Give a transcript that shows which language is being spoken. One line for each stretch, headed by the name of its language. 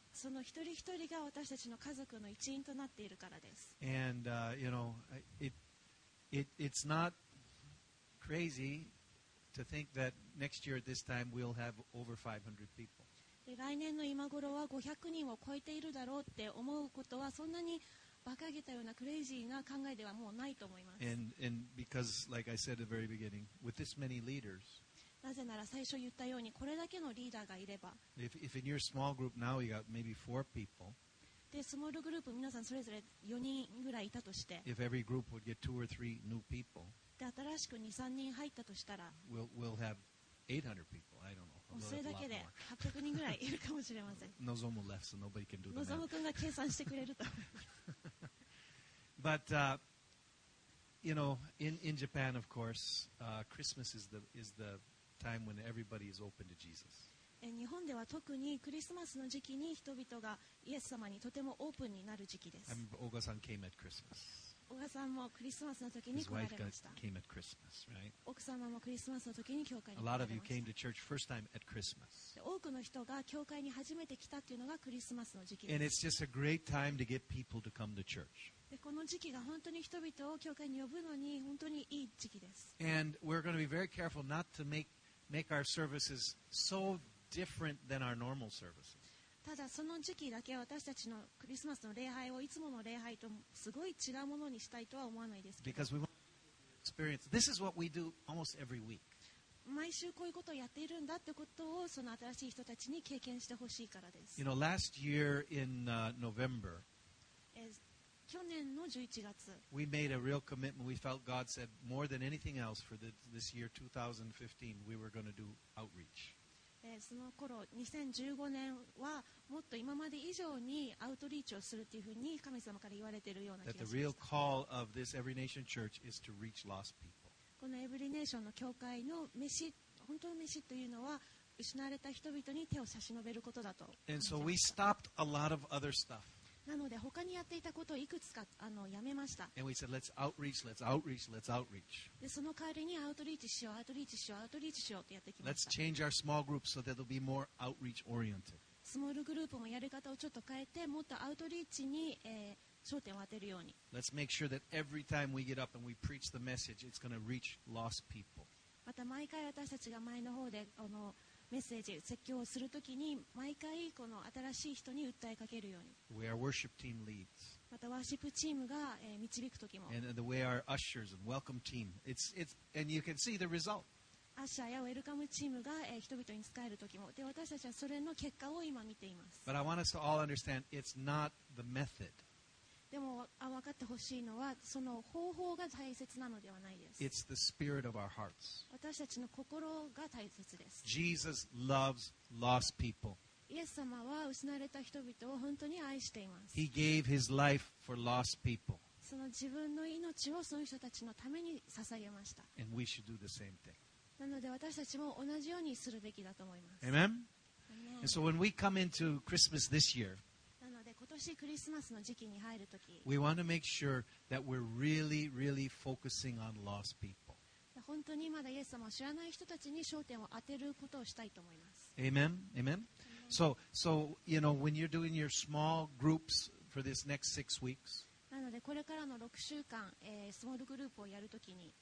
Japanese: その一人一人が私たちの家族の一員となっているからです。
English: And you know, it's not crazy to think that next year at this time we'll have over 500 people.
Japanese: で、来年の今頃は500人を超えているだろうって思うことはそんなに馬鹿げたようなクレイジーな考えではもうないと思います。
English: And because, like I said at the very beginning, with this many leaders.
Japanese: なぜなら最初言ったようにこれだけのリーダーがいれば
English: if in your small group now you got maybe four people,
Japanese: でスモールグループ皆さんそれぞれ4人ぐらいいたとして
English: if every group would get two or three new people,
Japanese: で新しく 2,3 人入ったとしたら
English: we'll have 800 people. I don't know.
Japanese: それだけで800人ぐらいいるかもしれません
English: のぞむ left so nobody can do the
Japanese: math. のぞむくんが計算してくれると
English: but you know in Japan of course Christmas is the time when everybody is open to Jesus.
Japanese: 日本では特にクリスマスの時期に人々がイエス様にとてもオープンになる時期です。
English: オガさん came at Christmas.
Japanese: オガさんもクリスマスの時に来られました。
English: came at Christmas, right?
Japanese: 奥様もクリスマスの時に教会に来られました。
English: A lot of you came to church first time at Christmas.
Japanese: 多くの人が教会に初めて来たというのがクリスマスの時期です。
English: And it's just a great time to get people to come to church.
Japanese: でこの時期が本当に人々を教会に呼ぶのに本当にいい時期です。
English: And we're going to be very careful not to make our services so different than our normal services.
Japanese: ただその時期だけ私たちのクリスマスの礼拝をいつもの礼拝とすごい違うものにしたいとは思わないですけど。
English: Because we want experience. This is what we do almost every week.
Japanese: 毎週こういうことをやっているんだってことをその新しい人たちに経験してほしいからです。
English: You know, last year in November.
Japanese: 去年の11月
English: We made a real commitment. We felt God said more than anything else for this year 2015 we were going to do outreach.
Japanese: その頃2015年はもっと今まで以上にアウトリーチをするというふうに神様から言われているような気がします。
English: That the real call of this Every Nation Church is to reach lost people.
Japanese: このエブリネーションの教会の飯、本当の飯というのは失われた人々に手を差し伸べることだと。
English: And so we stopped a lot of other stuff.
Japanese: なので他にやっていたことをいくつかやめました。
English: And we said, let's outreach, let's outreach, let's outreach.
Japanese: でその代わりにアウトリーチしよう、アウトリーチしよう、アウトリーチしようってやってきました。
English: Let's change our small group so that it'll be more outreach oriented.
Japanese: スモールグループもやり方をちょっと変えて、もっとアウトリーチに、焦点を当てるように。
English: Let's make sure that every time we get up and we preach the message, it's going to reach lost people.
Japanese: また毎回私たちが前の方でメッセージ説教をするときに毎回この新しい人に訴えかけるように。
English: We are worship team leads.
Japanese: またワーシップチームが導くときも。
English: And the way our ushers and welcome team, it's and you can see the result.
Japanese: アッシャーやウェルカムチームが人々に使えるときも、で私たちはそれの結果を今見ています。
English: But I want us to all understand it's not the method.
Japanese: でも分かってほしいのはその方法が大切なのではないです。
English: It's the spirit of our hearts.
Japanese: 私たちの心が大切です。
English: Jesus loves lost people.
Japanese: イエス様は失われた人々を本当に愛しています。
English: He gave his life for lost people.
Japanese: その自分の命をその人たちのために捧げました。
English: And we should do the same thing.
Japanese: なので私たちも同じようにするべきだと思います。
English: Amen? Amen. And so when we come into Christmas this year,
Japanese: クリスマスの時期に入るとき、
English: We want to make sure that we're really, really focusing on lost people.
Japanese: 本当にまだイエス様を知らない人たちに焦点を当てることをしたいと思います。
English: Amen, amen. So, you know, when you're doing your small groups for this next six weeks,
Japanese: なのでこれからの6週間、スモールグループをやるときに、